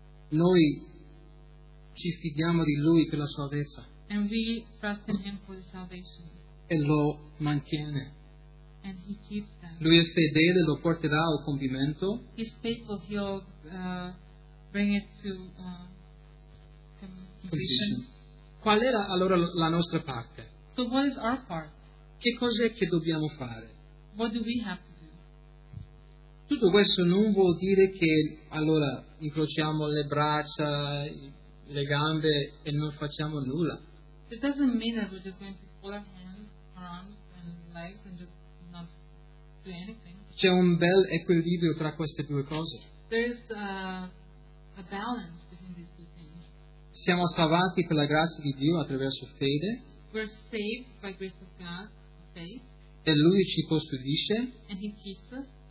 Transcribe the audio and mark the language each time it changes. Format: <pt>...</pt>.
<it>Noi ci fidiamo di Lui per la salvezza.</it> <en>And we trust in Him for the salvation.</en> <it>E lo mantiene.</it> <en>And He keeps them.</en> <it>Lui è fedele, lo porterà al compimento.</it> <en>He's faithful, He'll bring it to</en> <it>completion. Qual era allora la nostra parte?</it> <en>So what is our part?</en> <it>Che cos'è che dobbiamo fare?</it> <en>What do we have to do?</en> <it>Tutto questo non vuol dire che allora incrociamo le braccia, le gambe e non facciamo nulla.</it> <en>It doesn't mean that we're just going to pull our hands, our arms and legs and just not do anything.</en> <it>C'è un bel equilibrio tra queste due cose.</it> <en>There's a balance between these two things.</en> <it>Siamo salvati per la grazia di Dio attraverso fede.</it> <en>We're saved by grace of God, faith.</en> <it>E Lui ci custodisce.</it> <en>And He keeps us.</en>